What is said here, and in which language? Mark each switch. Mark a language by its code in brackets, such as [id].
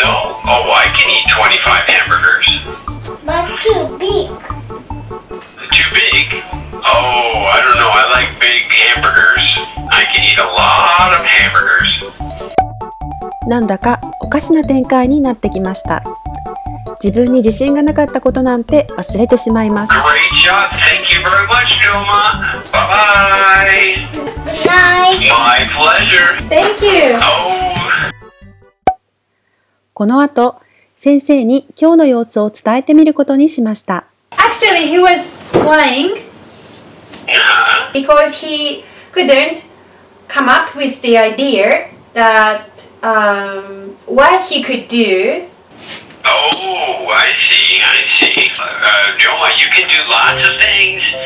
[en] No. Oh, I can eat 25 hamburgers. But too big. Too big? Oh, I don't know. I like big hamburgers. I can eat a lot of hamburgers. [ja] なんだかおかしな展開になってきました。自分に自信がなかったことなんて忘れてしまいます。 [en] Great job! Thank you very much, Duma! Bye bye! Good night! My pleasure! Thank you!、 Oh. [ja] この後、先生に今日の様子を伝えてみることにしました。 [en] Actually, he was lying because he couldn't come up with the idea that、what he could do Oh, I see. Joma, you can do lots of things.